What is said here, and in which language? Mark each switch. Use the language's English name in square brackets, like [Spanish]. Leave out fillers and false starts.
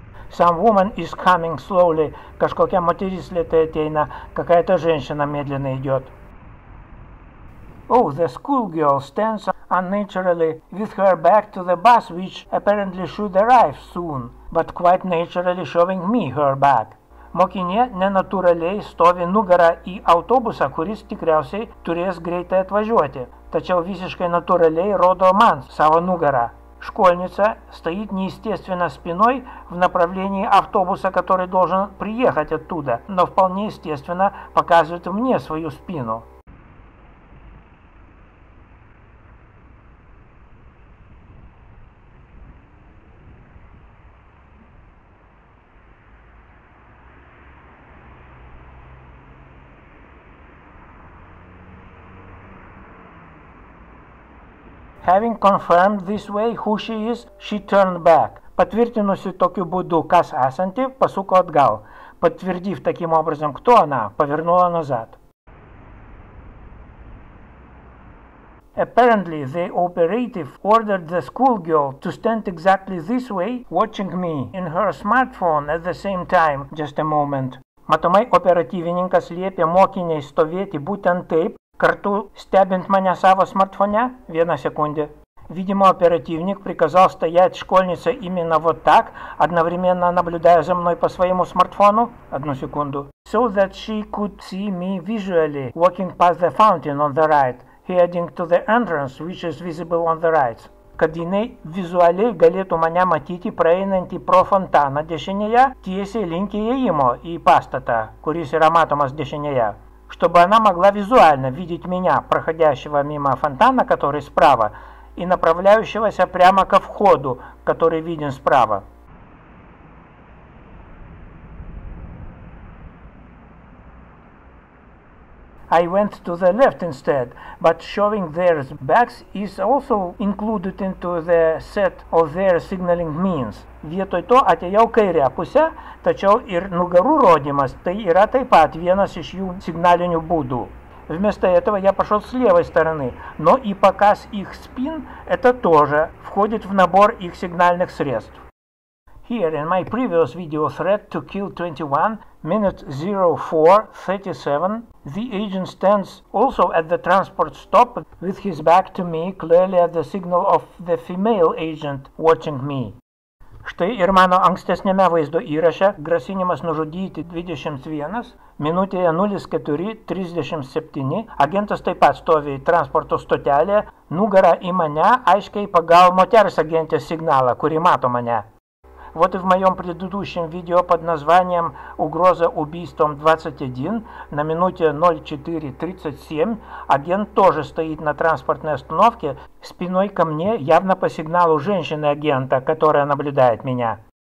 [English] Some woman is coming slowly. [Lithuanian] Кажется, материс летает тейна. [Russian] Какая-то женщина медленно идет. [English] Oh, the schoolgirl stands unnaturally with her back to the bus, which apparently should arrive soon, but quite naturally showing me her back. [Lithuanian] Mokinė nenatūraliai stovi nugarą į autobusą, kuris tikriausiai turės greitai atvažiuoti, tačiau visiškai natūraliai rodo man savo nugarą. [Russian] Школьница стоит неестественно спиной в направлении автобуса, который должен приехать оттуда, но вполне естественно показывает мне свою спину. [English] Having confirmed this way who she is, she turned back. [Russian] Подтвердившись таким образом, [Lithuanian] кас асанти, посуко отгал. [Russian] Подтвердив таким образом, кто она, повернула назад. [English] Apparently, the operative ordered the schoolgirl to stand exactly this way, watching me in her smartphone at the same time. Just a moment. [Lithuanian] Matomai operatyvininkas liepė mokiniai stovėti būtent taip. Kartu stebint mane savo smartfone, vieną sekundę. [Russian] Видимо, оперативник приказал стоять школьнице именно вот так, одновременно наблюдая за мной по своему смартфону. Одну секунду. [English] So that she could see me visually walking past the fountain on the right, heading to the entrance, which is visible on the right. [Lithuanian] Kad jinai vizualiai galėtų mane matyti praeinantį pro fontaną dešinėje, tiesiai link įėjimo į pastatą, kuris yra matomas dešinėje. [Russian] Чтобы она могла визуально видеть меня, проходящего мимо фонтана, который справа, и направляющегося прямо ко входу, который виден справа. [English] I went to the left instead, but showing their backs is also included into the set of their signaling means. [Lithuanian] Vietoj to atėjau kairę pusę, tačiau ir nugarų rodymas tai yra taip pat vienas iš jų signalinių būdų. [Russian] Вместо этого я пошел с левой стороны, но и показ их спин это тоже входит в набор их сигнальных средств. [English] here in my previous video thread to kill 21, minute 04:37, the agent stands also at the transport stop with his back to me, clearly at the signal of the female agent watching me. [Lithuanian] Štai ir mano ankstesniame vaizdo įraše grasinimas nužudyti 21, minutėje 04:37, agentas taip pat stovi į transporto stotelę, nugara į mane, aiškiai pagal moters agentės signalą, kuri mato mane. [Russian] Вот и в моем предыдущем видео под названием «Угроза убийством 21» на минуте 04:37 агент тоже стоит на транспортной остановке спиной ко мне, явно по сигналу женщины-агента, которая наблюдает меня.